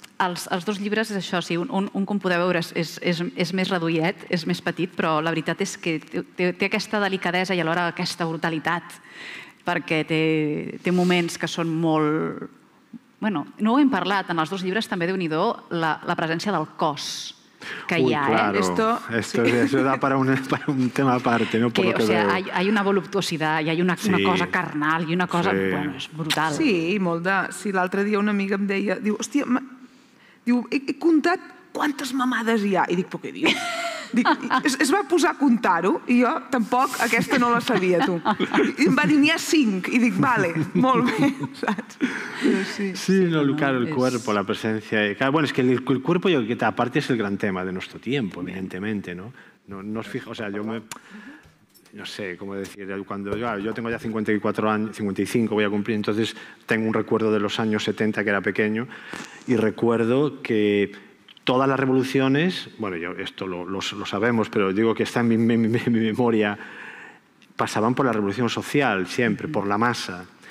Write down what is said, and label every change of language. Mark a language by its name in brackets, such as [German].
[Catalan] Els dos llibres és això, sí, un com podeu veure és més reduït, és més petit, però la veritat és que té aquesta delicadesa i alhora aquesta brutalitat, perquè té moments que són molt... Bueno, no ho hem parlat, en els dos llibres també, déu-n'hi-do, la presència del cos que Ui, hi ha. [Spanish] Claro. Esto sí. Eso da para un tema aparte, ¿no? Que, o sea, hay una voluptuosidad y hay una cosa carnal y una cosa... [Catalan] Sí. Bueno, és brutal. Sí, molt de... Sí, l'altre dia una amiga em deia, diu, hòstia... Diu, he comptat quantes mamades hi ha. I dic, però què dius? Es va posar a comptar-ho i jo tampoc aquesta no la sabia, tu. I em va dir, n'hi ha cinc. I dic, vale, molt bé, saps? [Spanish] Sí, no, claro, el cuerpo, la presencia... Claro, bueno, es que el cuerpo, yo, que aparte, es el gran tema de nuestro tiempo, evidentemente, ¿no? No os fijo, o sea, yo me... No sé, cómo decir, cuando yo tengo ya 54 años, 55 voy a cumplir, entonces tengo un recuerdo de los años 70 que era pequeño y recuerdo que todas las revoluciones, bueno, yo esto lo sabemos, pero digo que está en mi memoria, pasaban por la revolución social siempre, por la masa.